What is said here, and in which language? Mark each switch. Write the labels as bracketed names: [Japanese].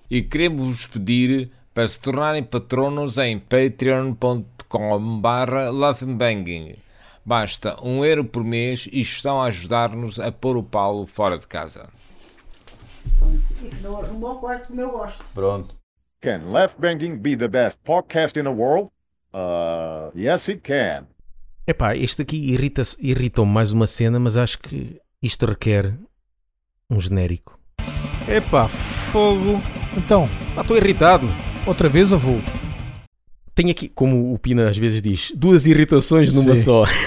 [Portuguese] E queremos-vos pedir para se tornarem patronos em patreon.com/lovebanging. Basta 1 euro por mês e estão a ajudar-nos a pôr o Paulo fora de casa. Não arrumou quase como eu gosto. Pronto. [English] Can Left Banging be the best podcast in the world? Yes, it can. [Portuguese] Epá, este aqui irritou-me mais uma cena, mas acho que isto requer um genérico. Epá, fogo. Então, Ah, estou irritado. Outra vez, avô? Tenho aqui, como o Pina às vezes diz, duas irritações numa só.